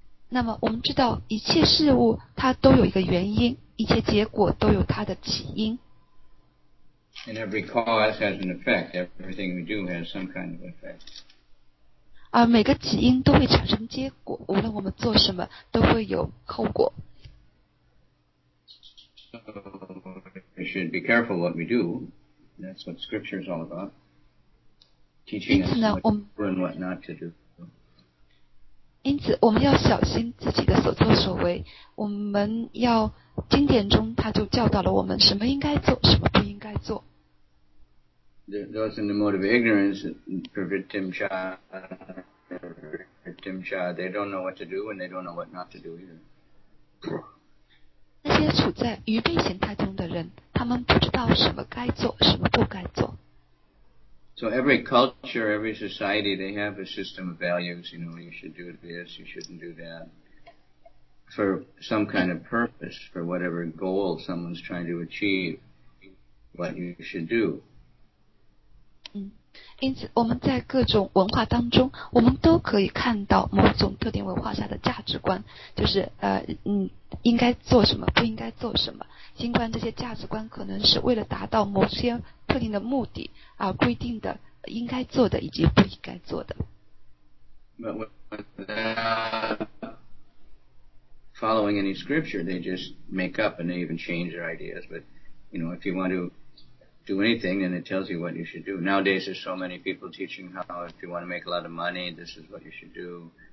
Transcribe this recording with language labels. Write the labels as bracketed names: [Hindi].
[Chinese] 那么我们知道一切事物它都有一个原因，一切结果都有它的起因。 [English] And every cause has an effect. Everything we do has some kind of effect. [Chinese] 而每个起因都会产生结果，无论我们做什么都会有后果。 [English] So, we should be careful what we do. That's what scripture is all about. Teaching us what to do and what not to do. [Chinese] 因此我们要小心自己的所作所为。我们要经典中他就教导了我们什么应该做，什么不应该做。 [English] Those in the mode of ignorance, pravritimcha, they don't know what to do and they don't know what not to do either. [Chinese] 那些处在愚昧形态中的人，他们不知道什么该做，什么不该做。 [English] So every culture, every society, they have a system of values. You know, you should do this, you shouldn't do that. For some kind of purpose, for whatever goal someone's trying to achieve, what you should do. [Chinese] 因此我们在各种文化当中，我们都可以看到某种特定文化下的价值观，就是应该做什么，不应该做什么。尽管这些价值观可能是为了达到某些特定的目的而规定的应该做的以及不应该做的。 [English] But without following any scripture, they just make up and they even change their ideas. But you know, if you want to do anything, then it tells you what you should do. Nowadays, there's so many people teaching how if you want to make a lot of money, this is what you should do.